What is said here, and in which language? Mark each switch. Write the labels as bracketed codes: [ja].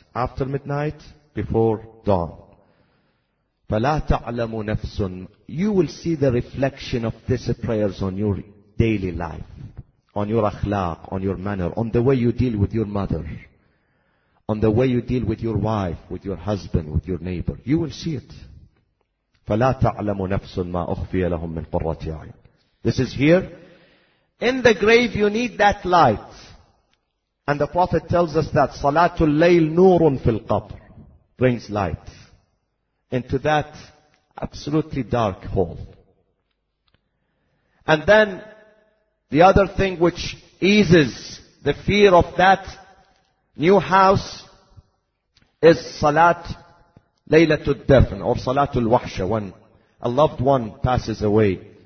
[en] After midnight, before dawn. [ar] فَلَا تَعْلَمُ نَفْسٌ [en] You will see the reflection of these prayers on your daily life. On your akhlaq, on your manner, on the way you deal with your mother. On the way you deal with your wife, with your husband, with your neighbor, you will see it. [ar] فَلَا تَعْلَمُ نَفْسٌ مَا أُخْفِيَ لَهُمْ مِنْ قُرَّةِ أَعْيُنٍ [en] This is here. In the grave you need that light. And the Prophet tells us that [ar] صَلَاتُ اللَّيْلِ نُورٌ فِي الْقَبْرِ [en] Brings light into that absolutely dark hole. And then the other thing which eases the fear of that New house is Salat Laylatul Dafn or Salatul Wahsha when a loved one passes away.